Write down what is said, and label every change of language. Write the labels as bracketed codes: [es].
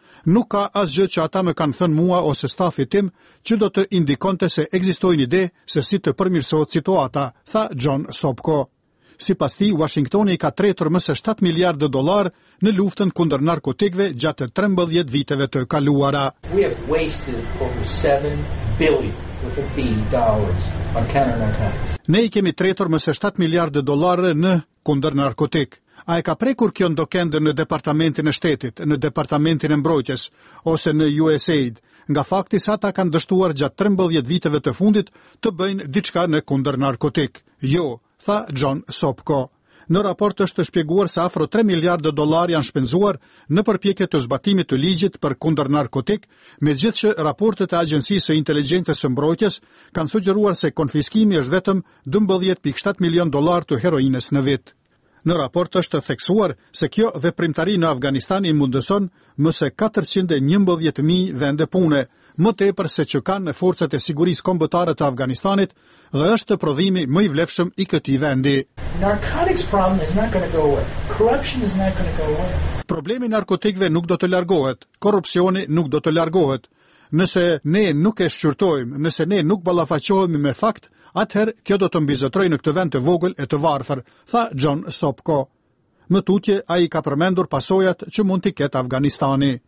[sq] "Nuk ka asgjë që ata më kanë thënë mua ose stafi tim që do të indikonte se ekzistoi një ide se si të përmirësohet situata", tha John Sopko. Sipas tij, Washingtoni ka tretur më se 7 miliardë dollar në luftën kundër narkotikëve gjatë 13 viteve të kaluara. [en] "We have wasted over 7 billion with a B dollars on counter-narcotics." [sq] Ne i kemi tretur më se 7 miliardë dollar në kundër narkotik. A e ka prekur kjo ndokendë në Departamentin e Shtetit, në Departamentin e Mbrojtjes ose në USAID, nga fakti sa ata kanë dështuar gjatë 13 viteve të fundit të bëjnë diçka në kundër narkotik? "Jo", tha John Sopko. Në raport është shpjeguar se afro 3 miliardë dollar janë shpenzuar në përpjekje të zbatimit të ligjit për kundër narkotik, megjithëse raportet e Agjencisë së Inteligjencës së Mbrojtjes kanë sugjeruar se konfiskimi është vetëm 12.7 milion dollar të heroinës në vit. Në raport është theksuar se kjo veprimtari në Afganistan i mundëson më se 411.000 vende pune, më tepër se që kanë në forcat e sigurisë kombëtare të Afganistanit dhe është prodhimi më i vlefshëm i këtij vendi. [en] "Narcotics problem is not going to go away. Corruption is not going to go away." [sq] Problemi narkotikëve nuk do të largohet. Korrupsioni nuk do të largohet. Nëse ne nuk e shqyrtojmë, nëse ne nuk ballafaqohemi me fakt, atëherë kjo do të mbizotrojë në këtë vend të vogël e të varfër, tha John Sopko. Më tutje, a i ka përmendur pasojat që mund t'i ketë Afganistani.